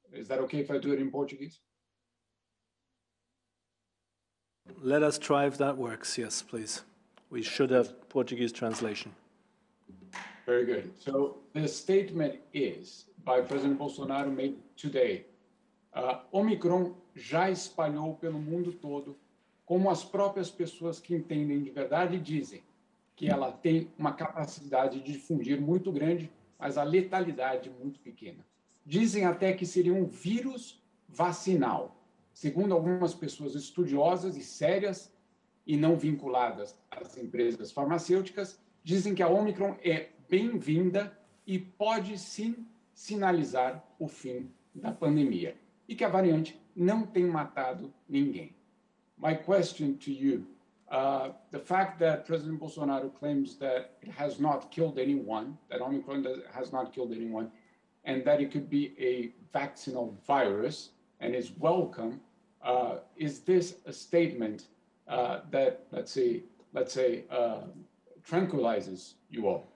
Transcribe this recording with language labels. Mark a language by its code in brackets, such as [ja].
[en] Is that okay if I do it in Portuguese? Let us try if that works. Yes, please. We should have Portuguese translation. Very good. So the statement is by President Bolsonaro made today. [pt] Omicron já espalhou pelo mundo todo, como as próprias pessoas que entendem de verdade dizem, que ela tem uma capacidade de difundir muito grande, mas a letalidade muito pequena. Dizem até que seria um vírus vacinal, segundo algumas pessoas estudiosas e sérias e não vinculadas às empresas farmacêuticas, dizem que a Omicron é bem-vinda e pode sim sinalizar o fim da pandemia. E que a variante não tem matado ninguém. [en] My question to you, the fact that President Bolsonaro claims that it has not killed anyone, that Omicron has not killed anyone, and that it could be a vaccinal virus and is welcome, is this a statement that, let's say, tranquilizes you all?